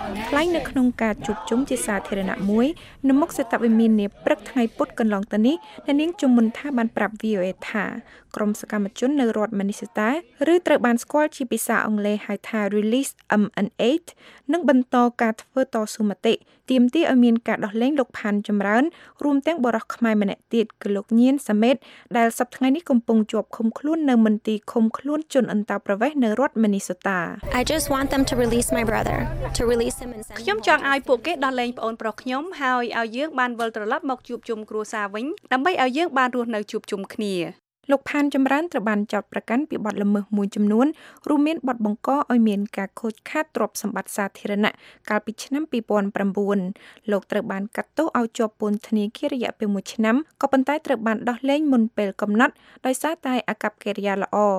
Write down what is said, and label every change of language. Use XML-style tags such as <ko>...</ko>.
<km>ខ្លាញ់នៅក្នុងការជួបជុំជាសាធារណៈមួយនៅមុខសេតវិមាននេះព្រឹកថ្ងៃពុធកន្លងទៅនេះអ្នកនាងជំមុនថាបានប្រាប់ VOA ថាក្រុមសកម្មជននៅរដ្ឋមីនីសតាឬត្រូវបានស្គាល់ជាភាសាអង់គ្លេសហៅថា Release MN8 នឹងបន្តការធ្វើតស៊ូមតិទាមទារឲ្យមានការដោះលែងលោកផានចម្រើនរួមទាំងបរិសុទ្ធខ្មែរម្នាក់ទៀតគឺលោកញៀនសមិតដែលសប្តាហ៍នេះកំពុងជាប់ឃុំខ្លួននៅមន្ទីរឃុំខ្លួនជនអន្តោប្រវេសន៍នៅរដ្ឋមីនីសតា</km> <en>I just want them to release my brother to release him and send</en> <km>ខ្ញុំចង់ឲ្យពួកគេដោះលែងប្អូនប្រុសខ្ញុំហើយឲ្យយើងបានវិលត្រឡប់មកជួបជុំគ្រួសារវិញដើម្បីឲ្យយើងបានរស់នៅជួបជុំគ្នា លោកផានចម្រើនត្រូវបានចាប់ប្រកាន់ពីបទល្មើសមួយចំនួនរួមមានបទបង្កឲ្យមានការខូចខាតទ្រព្យសម្បត្តិសាធារណៈកាលពីឆ្នាំ2009លោកត្រូវបានកាត់ទោសឲ្យជាប់ពន្ធនាគាររយៈពេល1ឆ្នាំក៏ប៉ុន្តែត្រូវបានដោះលែងមុនពេលកំណត់ដោយសារតែអាកប្បកិរិយាល្អ</km>